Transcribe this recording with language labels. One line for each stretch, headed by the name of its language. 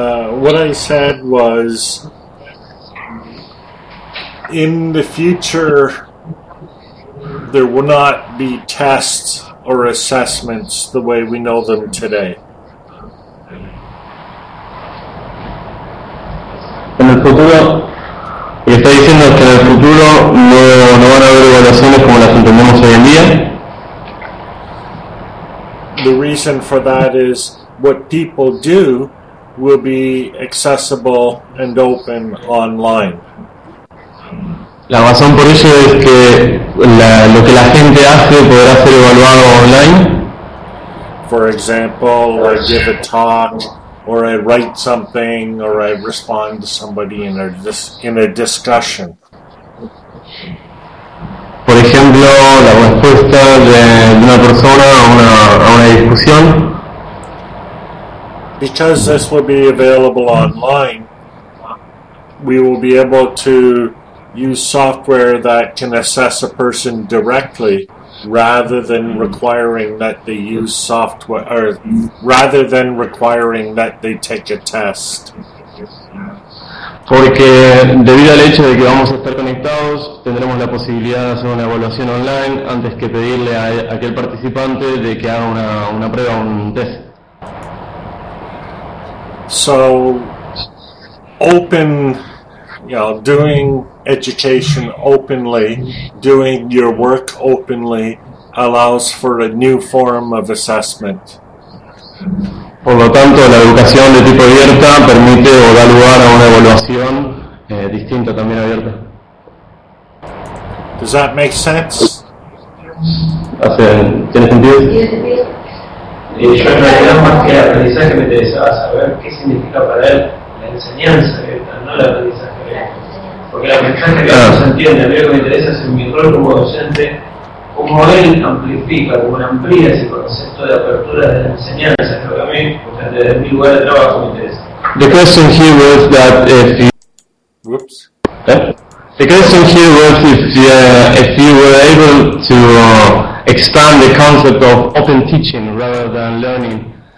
English: What I said was, in the future, there will not be tests or assessments the way we know them today.
Spanish: En el futuro, y está diciendo que en el futuro no van a haber evaluaciones como las entendemos hoy en día.
English: The reason for that is what people do will be accessible and open online.
Spanish: La razón por eso es que lo que la gente hace podrá ser evaluado online.
English: For example, I give a talk, or I write something, or I respond to somebody in a discussion.
Spanish: Por ejemplo, la respuesta de una persona a una discusión.
English: Because this will be available online, we will be able to use software that can assess a person directly rather than requiring that they use software, or rather than requiring that they take a test.
Spanish: Porque debido al hecho de que vamos a estar conectados, tendremos la posibilidad de hacer una evaluación online antes que pedirle a aquel participante de que haga una prueba o un test.
English: So, open you know, doing education openly, doing your work openly, allows for a new form of assessment.
Spanish: Por lo tanto, la educación de tipo abierta permite o da lugar a una evaluación distinta también abierta.
English: Does that make sense?
Spanish: ¿Tiene sentido? Yo en realidad, más que el aprendizaje, me interesaba saber qué significa para él la enseñanza abierta, no la aprendizaje abierta. Porque la mejor que me interesa es mi rol como docente, cómo él amplifica, cómo amplía ese concepto de apertura de la enseñanza, creo que a mí, porque desde mi lugar de trabajo me interesa.
English: The question here was that if you were able to expand the concept of open teaching rather than learning.